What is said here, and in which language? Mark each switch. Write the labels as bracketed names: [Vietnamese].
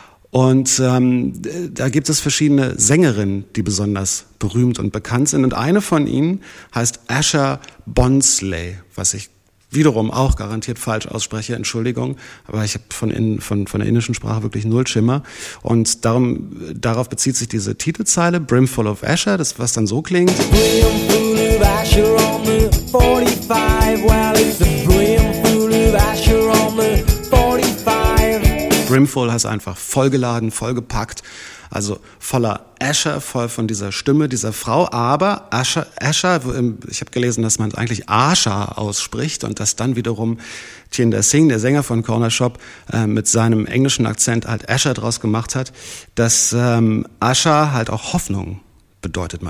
[German] Und da gibt es verschiedene Sängerinnen, die besonders berühmt und bekannt sind. Und eine von ihnen heißt Asha Bonsley, was ich wiederum auch garantiert falsch ausspreche, Entschuldigung. Aber ich habe von der indischen Sprache wirklich null Schimmer. Und darauf bezieht sich diese Titelzeile, Brimful of Asha, das, was dann so klingt. [English] Brimful of Asha on the 45, well it's a brimful of Asha on the 45. [German] Brimful heißt einfach vollgeladen, vollgepackt. Also voller Asher, voll von dieser Stimme dieser Frau, aber Asher, ich habe gelesen, dass man eigentlich Asher ausspricht und dass dann wiederum Tjinder Singh, der Sänger von Corner Shop, mit seinem englischen Akzent halt Asher draus gemacht hat, dass Asher halt auch Hoffnung bedeutet.